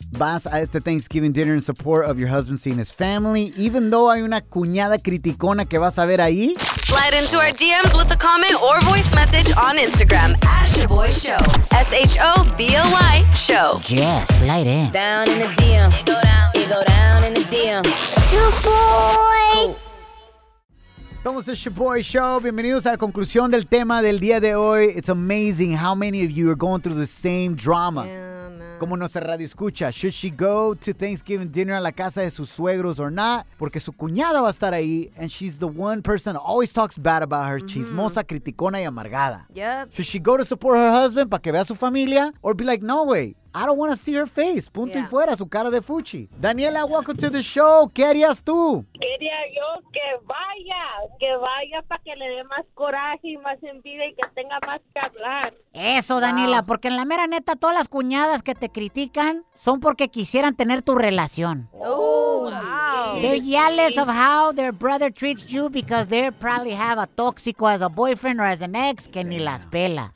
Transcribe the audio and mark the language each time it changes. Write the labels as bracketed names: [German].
[Spanish] ¿Vas a este [English] Thanksgiving dinner in support of your husband seeing his family? Even though [Spanish] hay una cuñada criticona que vas a ver ahí. [English] Slide into our DMs with a comment or voice message on Instagram at Shaboy Show. S-H-O-B-O-Y Show. Yeah, slide in. Down in the DM. You go down in the DM. Shaboy. [Spanish] Somos el Shaboy Show. Bienvenidos a la conclusión del tema del día de hoy. [English] It's amazing how many of you are going through the same drama. [Spanish] Como nuestra radio escucha, [English] should she go to Thanksgiving dinner [Spanish] a la casa de sus suegros [English] or not? [Spanish] Porque su cuñada va a estar ahí, [English] and she's the one person that always talks bad about her, [Spanish] chismosa, criticona y amargada. [English] Yep. Should she go to support her husband [Spanish] para que vea su familia? [English] Or be like, no way, I don't want to see her face. [Spanish] Punto y fuera, su cara de fuchi. [English] Daniela, welcome to the show. [Spanish] ¿Qué harías tú? Quería yo que vaya para que le dé más coraje y más envidia y que tenga más que hablar. Eso, Daniela, porque en la mera neta, todas las cuñadas que te critican son porque quisieran tener tu relación. [English] Oh, wow. They're jealous of how their brother treats you because they probably have a tóxico as a boyfriend or as an ex [Spanish] que ni las pela.